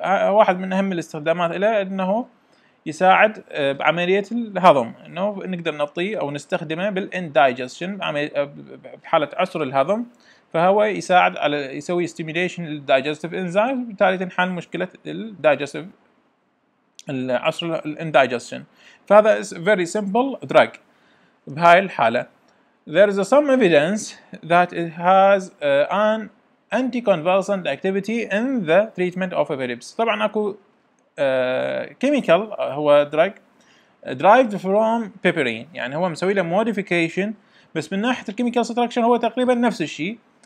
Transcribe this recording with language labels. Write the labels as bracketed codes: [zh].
[ar] واحد من اهم الاستخدامات له انه يساعد بعملية الهضم، انه نقدر نطيه او نستخدمه بالاندايجستشن بحالة عسر الهضم، فهو يساعد على يسوي ستيميليشن للدايجستيف انزايم، بالتالي تنحل مشكلة الدايجستيف العسر الاندايجستشن. فهذا [en] is very simple drug [ar] بهاي الحالة. [en] There is some evidence that it has an anticonvulsant activity in the treatment of epilepsy. [ar] طبعا اكو كيميكال هو دراج [en] derived from piperine. [ar] يعني هو مسوي له modification بس من ناحية الكيميكال ستراكشن هو تقريبا نفس الشيء.